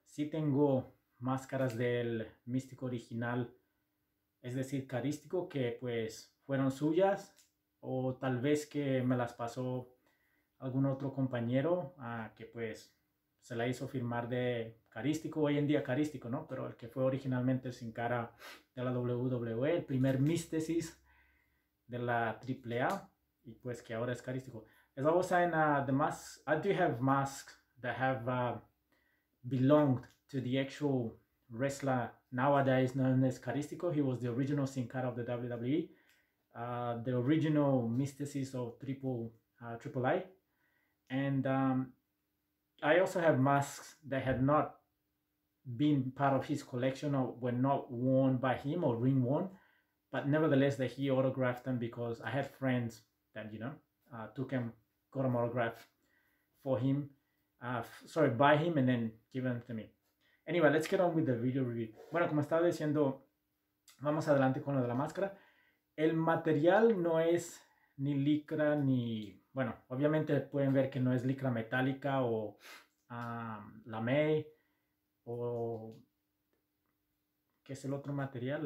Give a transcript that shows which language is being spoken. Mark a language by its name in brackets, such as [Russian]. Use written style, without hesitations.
[Spanish] Sí tengo máscaras del Místico original, es decir, Carístico, que pues fueron suyas o tal vez que me las pasó algún otro compañero que pues se la hizo firmar de Carístico, hoy en día Carístico, ¿no? Pero el que fue originalmente Sin Cara de la WWE, el primer místesis de la AAA, y pues que ahora es Carístico. [English] As I was saying, the mask, I do have masks that have belonged to the actual wrestler nowadays known as Carístico. He was the original Sin Cara of the WWE, the original místesis of AAA. And I also have masks that had not been part of his collection or were not worn by him or ring worn, but nevertheless that he autographed them because I had friends that, you know, got them autographed for him, by him and then give them to me. Anyway, let's get on with the video review. [Spanish] Bueno, como estaba diciendo, vamos adelante con lo de la máscara. El material no es ni licra ni, bueno, obviamente pueden ver que no es licra metálica o lamé o ¿qué es el otro material?